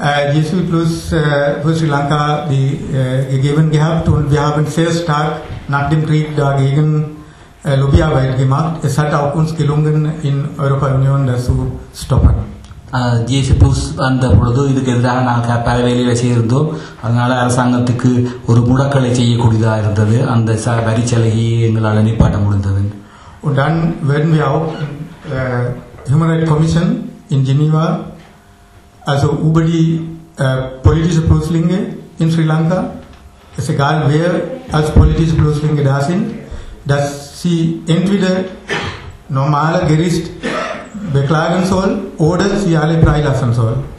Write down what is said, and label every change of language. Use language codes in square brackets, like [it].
[de] GSP Plus für Sri Lanka die, gegeben gehabt und wir haben sehr stark nach dem Krieg dagegen Lobbyarbeit gemacht. Es hat auch uns gelungen, in Europa Union das zu stoppen. [ta] GSP Plus வந்த பொழுது இதுக்கு எதிராக நாங்கள் பல வேலைகளை செய்திருந்தோம். அதனால் அரசாங்கத்துக்கு ஒரு முடக்கலை செய்யக்கூடியதாக இருந்தது. அந்த வரி சலுகையை எங்களால் நிப்பாட்ட முடிந்தது. [de] Und dann werden wir auch in Human Rights Commission in Geneva, also über die politische Flüchtlinge in Sri Lanka, ist egal wer als politische Flüchtlinge da sind, dass sie entweder normale Gericht beklagen soll oder sie alle freilassen soll.